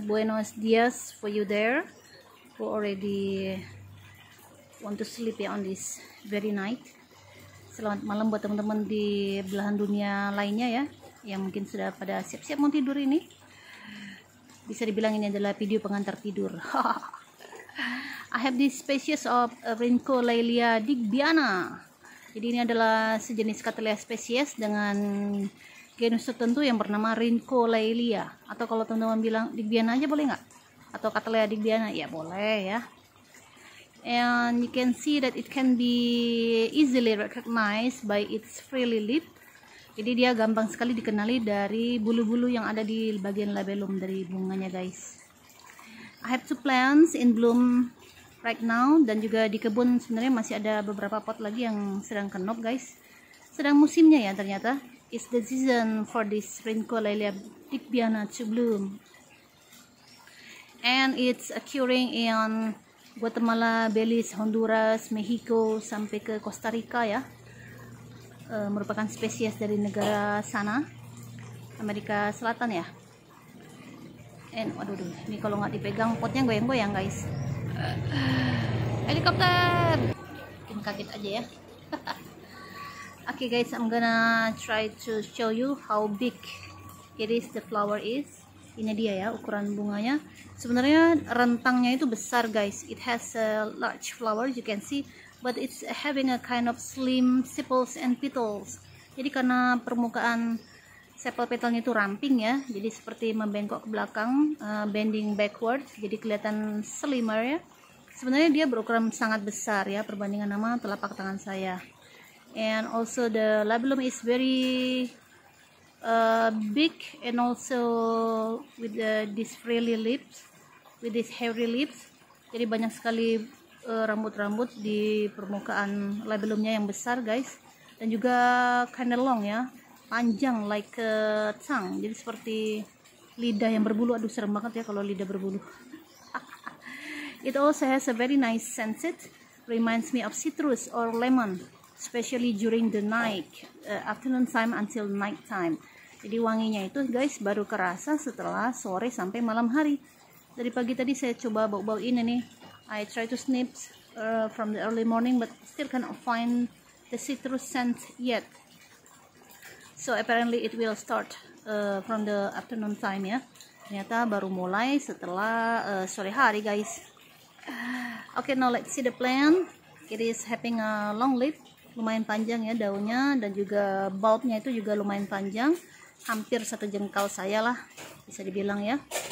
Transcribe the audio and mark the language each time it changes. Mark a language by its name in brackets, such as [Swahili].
[Spanish] Buenos dias [English] for you there who already want to sleep on this very night. [Indonesian] Selamat malam buat teman-teman di belahan dunia lainnya ya, yang mungkin sudah pada siap-siap mau tidur ini. Bisa dibilang ini adalah video pengantar tidur. [English] I have this species of Rinco Lailia Digbiana. [Indonesian] Jadi ini adalah sejenis Cattleya species dengan genus tertentu yang bernama Rinco Lailia. Atau kalau teman-teman bilang Digbiana aja boleh nggak? Atau Cattleya Digbiana? Ya boleh ya. [English] And you can see that it can be easily recognized by its frilly lip. [Indonesian] Jadi dia gampang sekali dikenali dari bulu-bulu yang ada di bagian labellum dari bunganya guys. [English] I have two plants in bloom right now, [Indonesian] dan juga di kebun sebenarnya masih ada beberapa pot lagi yang sedang kenop guys. Sedang musimnya ya ternyata. [English] It's the season for this Rinco Lailia Digbiana to bloom. And it's occurring in Guatemala, Belize, Honduras, Mexico, [Indonesian] sampai ke [English] Costa Rica ya. [Indonesian] Merupakan spesies dari negara sana, Amerika Selatan ya. And waduh, ini kalau nggak dipegang potnya goyang-goyang guys. Helikopter, bikin kaget aja ya. [English] Okay guys, I'm gonna try to show you how big it is, the flower is. [Indonesian] Ini dia ya ukuran bunganya. Sebenarnya rentangnya itu besar guys. [English] It has a large flower, you can see, but it's having a kind of slim sepals and petals. [Indonesian] Jadi karena permukaan sepal petalnya itu ramping ya, jadi seperti membengkok ke belakang, [English] bending backward, [Indonesian] jadi kelihatan slimmer ya. Sebenarnya dia berukuran sangat besar ya perbandingan sama telapak tangan saya. [English] And also the labellum is very big, and also with this frilly lips, with this hairy lips. [Indonesian] Jadi banyak sekali rambut-rambut di permukaan labellumnya yang besar guys, dan juga [English] kind of long [Indonesian] ya, panjang [English] like a tongue, [Indonesian] jadi seperti lidah yang berbulu. Aduh serem banget ya kalau lidah berbulu. [English] It also has a very nice sunset, reminds me of citrus or lemon, especially during the night, afternoon time until night time. [Indonesian] Jadi wanginya itu guys baru kerasa setelah sore sampai malam hari. Dari pagi tadi saya coba bau-bau ini nih, [English] I try to sniff from the early morning but still cannot find the citrus scent yet. So apparently it will start from the afternoon time ya. [Indonesian] Ternyata baru mulai setelah sore hari guys. [English] Okay, now let's see the plant. It is having a long leaf, [Indonesian] lumayan panjang ya daunnya, dan juga bulbnya itu juga lumayan panjang, hampir satu jengkal saya lah bisa dibilang ya.